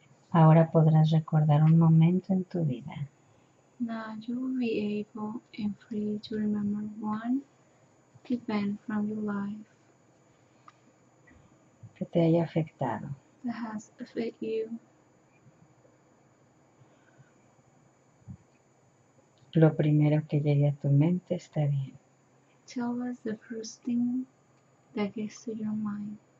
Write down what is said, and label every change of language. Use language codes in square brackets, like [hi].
[es] Ahora podrás recordar un momento en tu vida. [en] Now you will be able and free to remember one event from your life [es] que te haya afectado. [en] That has affected you. [es] Lo primero que llegue a tu mente está bien. [en] Tell us the first thing that gets to your mind.